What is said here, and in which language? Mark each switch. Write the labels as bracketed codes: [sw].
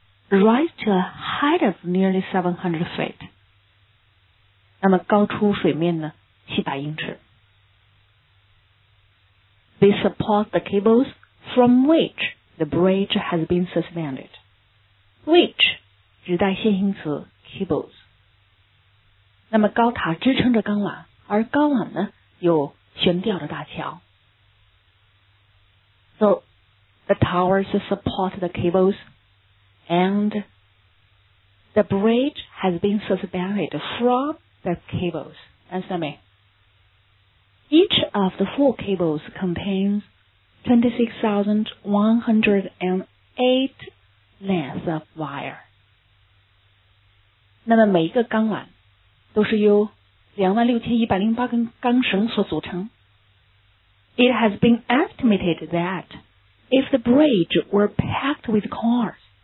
[en] Rise to a height of nearly 700 feet. [zh] 那么高出水面呢700英尺。 [en] They support the cables from which the bridge has been suspended. [zh] Which 指代线性词 cables. 那么高塔支撑着钢缆，而钢缆呢有悬吊着大桥。 [en] So the towers support the cables and the bridge has been suspended from the cables. Understand me? Each of the four cables contains 26,108 lengths of wire. [zh] 那么每一个钢缆都是由26,108根钢绳所组成。 [en] It has been estimated that if the bridge were packed with cars,